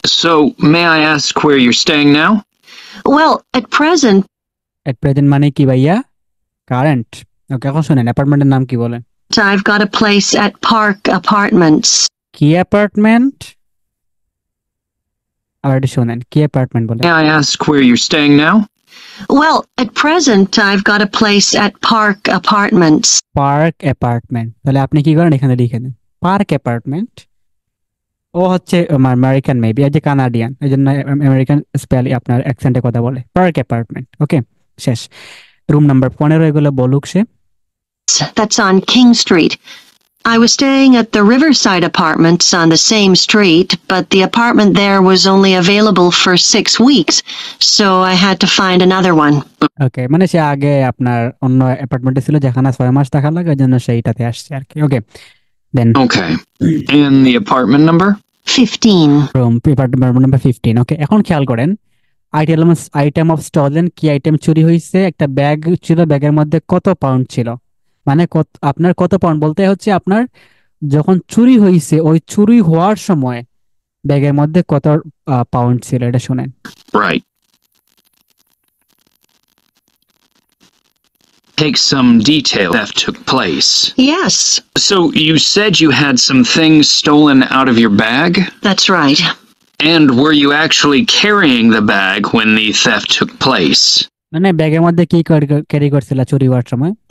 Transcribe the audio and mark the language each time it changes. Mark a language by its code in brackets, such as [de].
[en] So, may I ask where you're staying now? Well, at present... At present, [bn] মানে কি ভাইয়া? Current. Okay, এখন শুনেন, অ্যাপার্টমেন্টের নাম কি বলে? [en] I've got a place at Park Apartments. Key apartment? Already shown in. Key apartment. May I ask where you're staying now? Well, at present, I've got a place at Park Apartments. Park apartment. Well, you have to write it here. Park apartment. Oh, it's American maybe. It's Canadian. It's American spell. You have to write it here. Park apartment. Okay. Yes. Room number 15. That's on King Street. I was staying at the Riverside Apartments on the same street, but the apartment there was only available for 6 weeks, so I had to find another one. [bn] Okay, মানে সে আগে আপনার অন্য অ্যাপার্টমেন্টে ছিল যেখানে 6 মাস থাকার লাগে, ওই জন্য সেইটাতে আসছে আর কি। [en] Okay, then. Okay, and the apartment number? 15. Room, apartment number 15. [bn] Okay, এখন খেয়াল করেন, [en] item of stolen, [bn] কি আইটেম চুরি হয়েছে, একটা ব্যাগ ছিল, ব্যাগের মধ্যে কত পাউন্ড ছিল, মানে আপনার কত পাউন্ড বলতে হচ্ছে আপনার যখন চুরি হয়েছে ওই চুরি হওয়ার সময় ব্যাগের মধ্যে কত পাউন্ড ছিল, এটা শুনেন। [en] Right. Take some detail that took place. Yes. So you said you had some things stolen out of your bag? That's right. And were you actually carrying the bag when the theft took place? [bn] মানে ব্যাগের মধ্যে কি carry করছিল চুরি হওয়ার সময়?